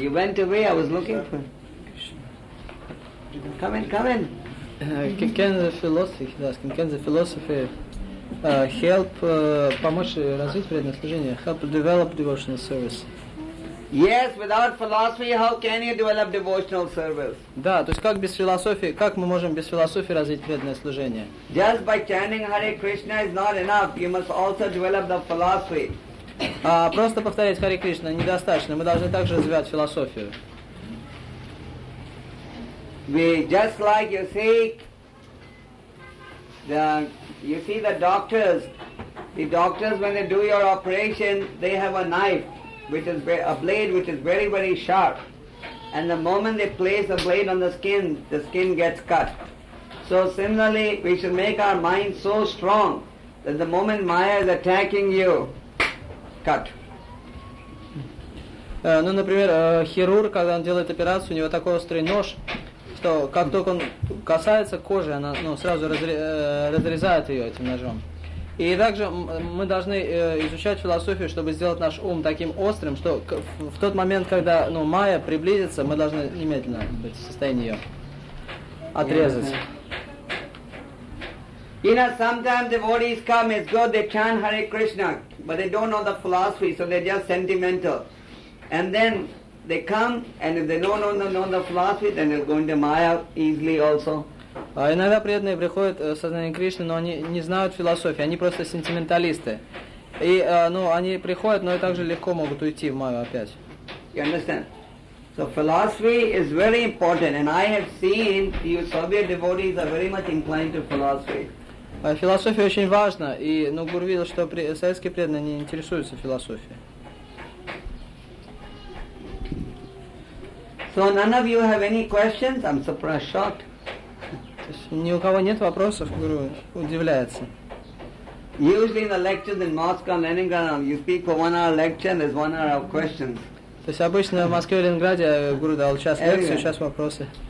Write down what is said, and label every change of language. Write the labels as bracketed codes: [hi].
[en] You went away, I was looking for you. Come in, come in. Can the philosophy, he's asking, can the philosophy help [ru] помочь развить преданное служение, [en] help develop devotional service. Yes, without philosophy, how can you develop devotional service? [ru] Да, то есть как без философии, как мы можем без философии развить преданное служение? [en] Just by chanting Hare Krishna is not enough. You must also develop the philosophy. [ru] Просто повторять Hare Krishna недостаточно. Мы должны также развивать философию. [en] We just like you see the. You see the doctors when they do your operation, they have a knife, which is a blade which is very, very sharp. And the moment they place a blade on the skin gets cut. So similarly, we should make our mind so strong that the moment Maya is attacking you, cut. [ru] Ну, например, хирург, когда он делает операцию, у него такой острый нож, что как только он касается кожи, она сразу разрезает ее этим ножом. И также мы должны изучать философию, чтобы сделать наш ум таким острым, что в тот момент, когда майя приблизится, мы должны немедленно быть в состоянии ее отрезать. [en] You know, sometimes devotees come, it's good, they chant Hare Krishna, but they don't know the philosophy, so they're just sentimental. And then they come, and if they don't know the philosophy, then they'll go into Maya easily also. [ru] Иногда преданные приходят в сознание Кришны, но они не знают философии, они просто сентименталисты. И, они приходят, но и также легко могут уйти в Майю опять. [en] You understand? So philosophy is very important, and I have seen you Soviet devotees are very much inclined to philosophy. [ru] Философия очень важна, и Гуру видел, что советские преданные не интересуются философией. [en] So none of you have any questions? I'm surprised, shocked. [ru] Ни у кого нет вопросов, Гуру удивляется. [en] Usually in the lectures in Moscow and Leningrad, you speak for 1 hour lecture and there's 1 hour of questions. [ru] То есть обычно в Москве и Ленинграде Гуру дал час лекцию, сейчас вопросы.